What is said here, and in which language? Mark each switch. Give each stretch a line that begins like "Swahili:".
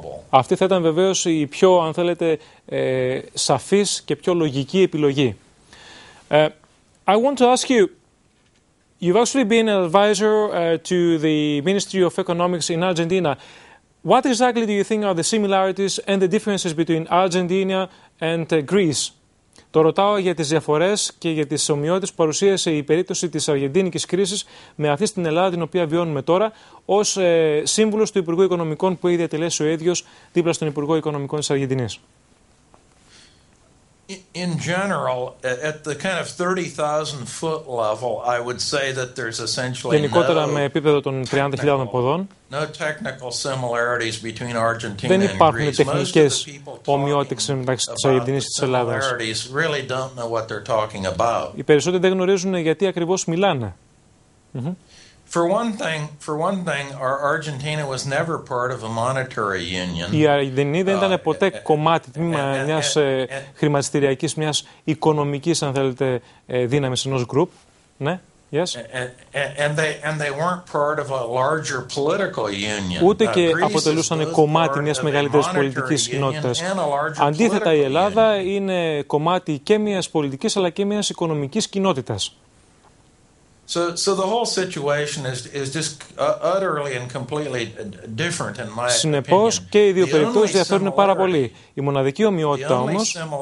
Greek: Αυτή θα ήταν βεβαίως η πιο, αν θέλετε, σαφής και πιο λογική επιλογή.
English: I want to ask you, you've actually been an advisor to the Ministry of Economics in Argentina. What exactly do you think are the similarities and the differences between Argentina and Greece?
Greek: Το ρωτάω για τις διαφορές και για τις ομοιότητες που παρουσίασε η περίπτωση της αργεντίνικης κρίσης με αυτή στην Ελλάδα την οποία βιώνουμε τώρα ως σύμβουλος του Υπουργού Οικονομικών που έχει διατελέσει ο ίδιος δίπλα στον Υπουργό Οικονομικών της Αργεντινής.
English: In general, at the kind of 30,000 foot level, I would say that there's essentially
Greek: γενικότερα με επίπεδο των 30.000 ποδών,
English: no technical similarities between Argentina and Greece.
Greek: Δεν υπάρχουν τεχνικές ομοιότητες μεταξύ της Αργεντινής και της Ελλάδας.
English: Really don't know what they're talking about.
Greek: Οι περισσότεροι δεν γνωρίζουν γιατί ακριβώς μιλάνε.
English: For one thing, Argentina was never part of a monetary union.
Greek: Η Αργεντινή δεν ήταν ποτέ κομμάτι μιας χρηματιστηριακής, μιας οικονομικής, αν θέλετε, δύναμης ενός group. Ναι,
English: yes. And they weren't part of a larger political union.
Greek: Ούτε και αποτελούσαν κομμάτι μιας μεγαλύτερης πολιτικής κοινότητας. Αντίθετα, η Ελλάδα είναι κομμάτι και μιας πολιτικής αλλά και μιας οικονομικής κοινότητας.
English: So the whole situation is just utterly and completely different in my opinion.
Greek: Συνεπώς και οι δύο περιπτώσεις διαφέρουν πάρα πολύ. Η μοναδική ομοιότητα όμως,